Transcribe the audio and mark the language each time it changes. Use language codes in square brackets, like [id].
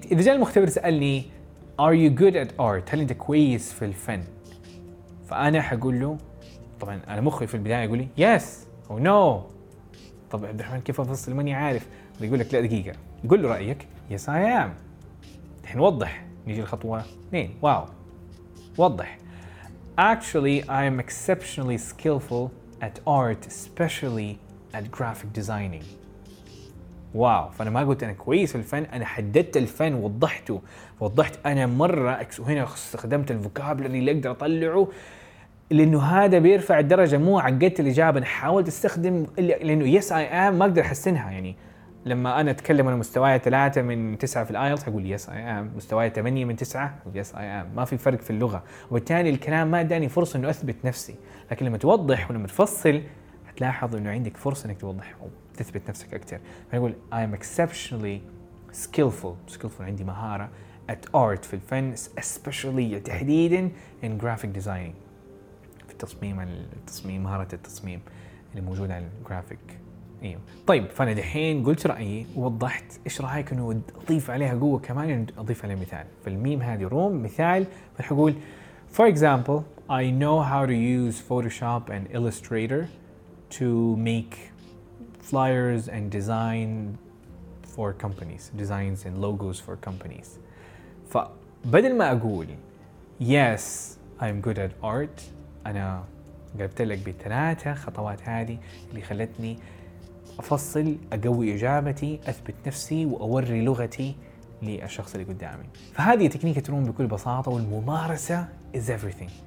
[ar] إذا جاء المختبر سألني [en] Are you good at art؟ [ar] هل أنت كويس في الفن؟ فأنا حقول له طبعا أنا مخي في البداية يقول لي [en] Yes or No. [ar] طب عبد الرحمن كيف أفصل، ماني عارف، يقول لك لا دقيقة قل له رأيك [en] Yes I am. [ar] الحين وضح، نيجي الخطوة 2 واو وضح [en] Actually I am exceptionally skillful at art especially at graphic designing. [ar] واو، فأنا ما قلت أنا كويس في الفن، أنا حددت الفن وضحته، وضحت أنا مرة، وهنا استخدمت الفوكابلري اللي أقدر أطلعه لأنه هذا بيرفع الدرجة، مو عقدت الإجابة، أنا حاولت أستخدم لأنه [en] Yes I am [ar] ما أقدر أحسنها. يعني لما انا اتكلم على مستواي 3 من 9 في الايلتس اقول [en] yes I am, [ar] مستواي 8 من 9 يس اي ام، ما في فرق في اللغه، وبالتالي الكلام ما اداني فرصه انه اثبت نفسي. لكن لما توضح ولما تفصل هتلاحظ انه عندك فرصه انك توضح وتثبت نفسك اكثر. فاقول [en] I am exceptionally skillful, [ar] عندي مهاره [en] at art, [ar] في الفن [en] especially, [ar] تحديدا [en] in graphic design, [ar] في التصميم مهاره التصميم اللي موجوده على الجرافيك. أيوه. طيب فانا دحين قلت رايي ووضحت، ايش رايك انه اضيف عليها قوه كمان، اضيف عليها مثال. فالميم هذه روم مثال، فحقول [en] for example I know how to use Photoshop and Illustrator to make flyers and design for companies designs and logos for companies. [ar] فبدل ما اقول [en] yes I'm good at art، [ar] انا قلت لك بثلاثه خطوات هذه اللي خلتني أفصل، أقوي إجابتي، أثبت نفسي وأوري لغتي للشخص اللي قدامي. فهذه تكنيكة روم بكل بساطة، والممارسة [en] is everything.